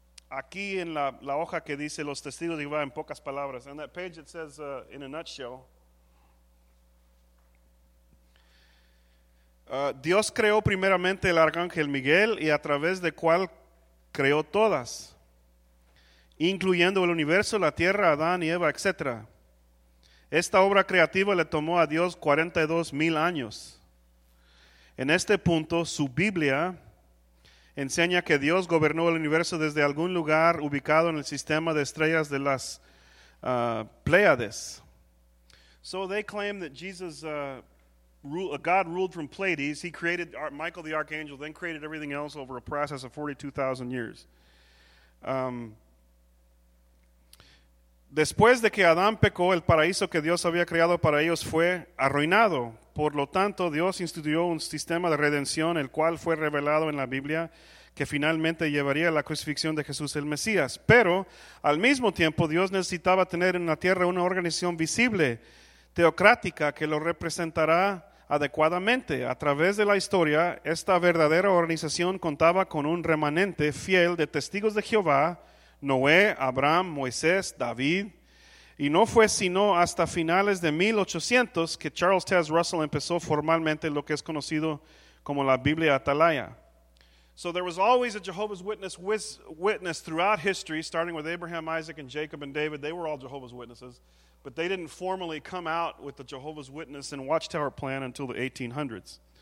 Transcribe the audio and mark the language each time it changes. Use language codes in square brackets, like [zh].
[es] Aquí en la hoja que dice los testigos de Jehová en pocas palabras. [en] On that page it says, in a nutshell. [es] Dios creó primeramente el arcángel Miguel y a través de cual creó todas. Incluyendo el universo, la tierra, Adán y Eva, etc. Esta obra creativa le tomó a Dios 42,000 años. En este punto su Biblia enseña que Dios gobernó el universo desde algún lugar ubicado en el sistema de estrellas de las Pléyades. [en] So they claim that Jesus, God ruled from Pleiades. He created Michael the archangel, then created everything else over a process of 42,000 years. [es] Después de que Adán pecó, el paraíso que Dios había creado para ellos fue arruinado. Por lo tanto, Dios instituyó un sistema de redención, el cual fue revelado en la Biblia, que finalmente llevaría a la crucifixión de Jesús el Mesías. Pero, al mismo tiempo, Dios necesitaba tener en la tierra una organización visible, teocrática, que lo representará adecuadamente. A través de la historia, esta verdadera organización contaba con un remanente fiel de testigos de Jehová, Noé, Abraham, Moisés, David, y no fue sino hasta finales de 1800 que Charles Taze Russell empezó formalmente lo que es conocido como la Biblia Atalaya. [en] So there was always a Jehovah's Witness throughout history, starting with Abraham, Isaac, and Jacob, and David. They were all Jehovah's Witnesses, but they didn't formally come out with the Jehovah's Witness and Watchtower plan until the 1800s.